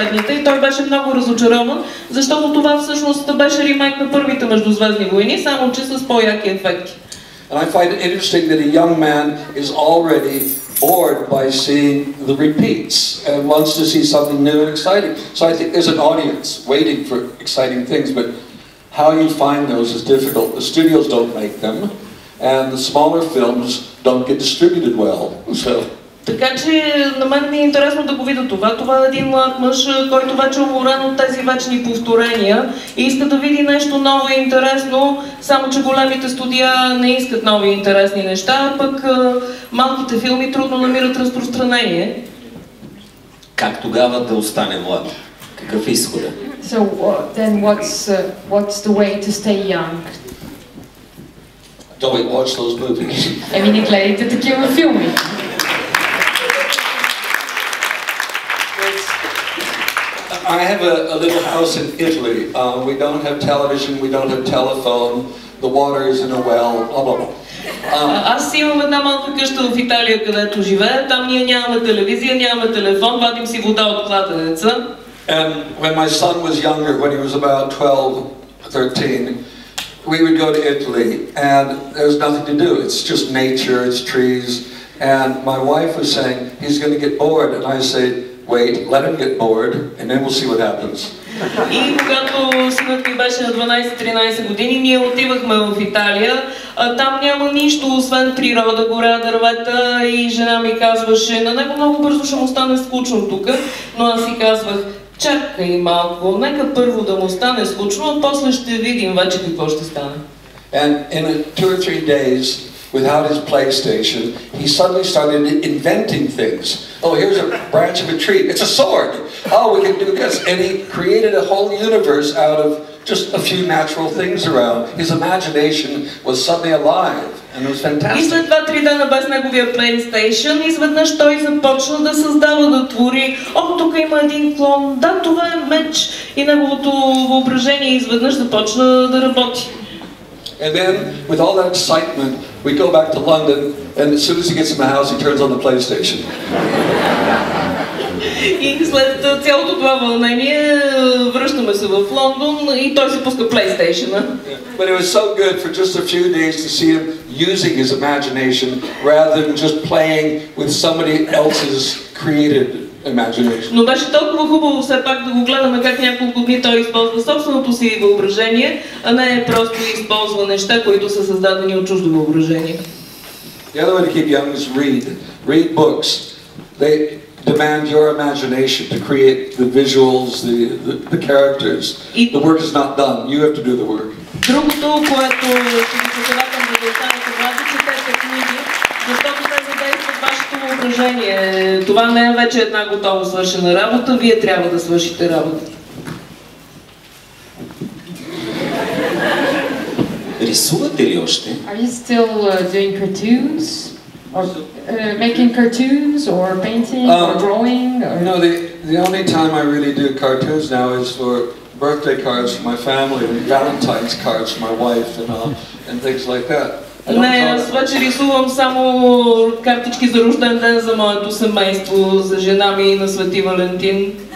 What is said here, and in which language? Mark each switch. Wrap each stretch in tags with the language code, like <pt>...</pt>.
<bg>И той беше много разочарован, защото това всъщност беше ремейк на първите Междузвездни войни, само че с по-яки ефекти.</bg> <en>And I find it interesting that a young man is already bored by seeing the repeats and wants to see something new and exciting. So I think there's an audience waiting for exciting things, but how you find those is difficult. The studios don't make them, and the smaller films don't get distributed well. So.</en> <bg>Така че на мен ми е интересно да го видя това. Това е един млад мъж, който вече е уморен от тези вечни повторения и иска да види нещо ново и интересно, само че големите студия не искат нови интересни неща, а пък малките филми трудно намират разпространение. Как тогава да остане млад? Какъв е изхода?</bg> <en>So then what's the way to stay young? Don't we watch those movies?</en> <bg>Еми не гледайте такива филми.</bg> <en>I have a little house in Italy. We don't have television, we don't have telephone, the water is in a well, blah blah blah.</en> <bg>Аз имам една малка къща в Италия, където живея. Там ние нямаме телевизия, нямаме телефон, вадим си вода от кладенеца.</bg> <en>And when my son was younger, when he was about 12, 13, we would go to Italy and there's nothing to do. It's just nature, it's trees. And my wife was saying, he's going to get bored, and I said, wait, let him get bored, and then we'll see what happens.</en> <bg>И когато синът ми беше на 12-13 години, ние отивахме в Италия. Там няма нищо, освен природа, гора, дървета. И жена ми казваше, на него много бързо ще му стане скучно тук. Но аз си казвах, чакай малко, нека първо да му стане скучно, а после ще видим вече какво ще стане.</bg> <en>And in a 2 or 3 days, without his PlayStation, he suddenly started inventing things. Oh, here's a branch of a tree. It's a sword. Oh, we can do this. And he created a whole universe out of just a few natural things around. His imagination was suddenly alive, and it was fantastic.</en> <bg>И след 2-3 дена без неговия PlayStation, изведнъж той започна да създава, да твори. О, тук има един клон. Да, това е меч и неговото въображение изведнъж започна да работи.</bg> <en>And then with all that excitement, we go back to London and as soon as he gets in the house, he turns on the PlayStation.</en> <bg>И след цялото това вълнение връщаме се в Лондон и той си пуска PlayStation-а.</bg> <en>But it was so good for just a few days to see him using his imagination rather than just playing with somebody else's created imagination.</en> <bg>Но беше толкова хубаво все пак да го гледаме как няколко дни той използва собственото си въображение, а не просто използва неща, които са създадени от чуждо въображение.</bg> <en>The other way to keep young is read. Read books. They demand your imagination to create the visuals, the characters. The work is not done. You have to do the work.</en> <bg>Другото, което ще ви посъветвам да останете млади, четете книги, защото те задействат вашето въображение. Това не е вече една готова свършена работа, вие трябва да свършите работа. Рисувате ли още?</bg> <en>Are you still doing cartoons? Making cartoons or painting or drawing? No, the only time I really do cartoons now is for birthday cards for my family, Valentine's cards for my wife and things like that.</en> <bg>Не, аз вече рисувам само картички за рожден ден за моето семейство, за жена ми на Свети Валентин.</bg>